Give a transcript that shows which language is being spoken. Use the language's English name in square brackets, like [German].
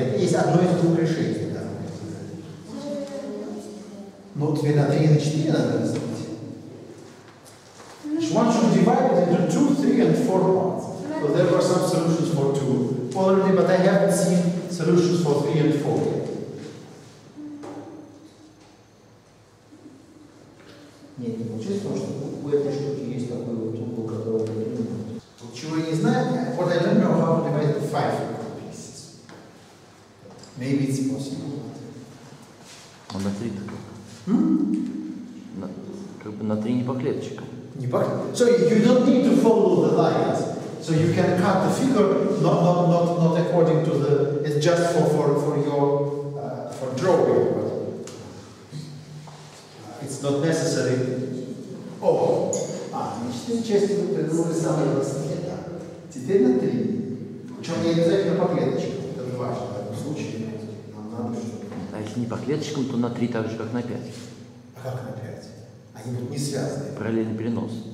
[Russian] Это есть одно из двух решений, да. Ну, теперь на три и на четыре надо разделить. [English] One should divide it into two, three and four parts. So there were some solutions for two already, but I haven't seen solutions for three and four yet. [Russian] Нет, не получается, потому что у этой штуки есть такой вот угол, который вы не можете. Чего я не знаю, [English] what I don't know how to divide the five pieces. Maybe it's possible. [Russian] А на три так? Как бы на три не по клеточкам. Не по клеточкам. [English] So you don't need to follow the lines. So you can cut the figure not according to the, it's just for your for drawing, but it's not necessary. Oh, [Russian] нечтение части вы придумали самое простое, да. Теперь на три. Причем не обязательно по клеточкам. Это не важно, в этом случае нам надо, чтобы. А если не по клеточкам, то на три так же, как на пять. А как на пять? Они будут не связаны. Параллельный перенос.